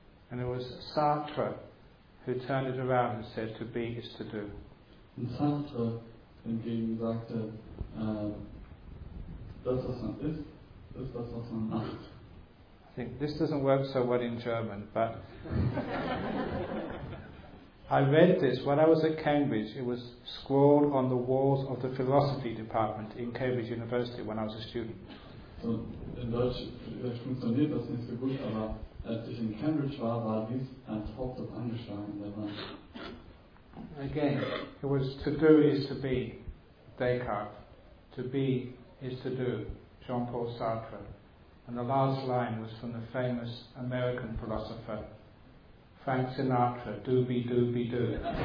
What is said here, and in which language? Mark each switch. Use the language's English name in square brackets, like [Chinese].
[English] And it was Sartre who turned it around and said to be is to do. [German] Und Sartre hingegen sagte, das was man ist, ist das was man macht. [English] I think this doesn't work so well in German, but I read this when I was at Cambridge. It was scrawled on the walls of the philosophy department in Cambridge University when I was a student. [German] So in Deutsch funktioniert das nicht so gut, aber als ich in Cambridge war, war dies ein Hauptsatz angeschlagen. [English] Again, it was to do is to be, Descartes. To be is to do, Jean-Paul Sartre. And the last line was from the famous American philosopher, Frank Sinatra, do be do be do.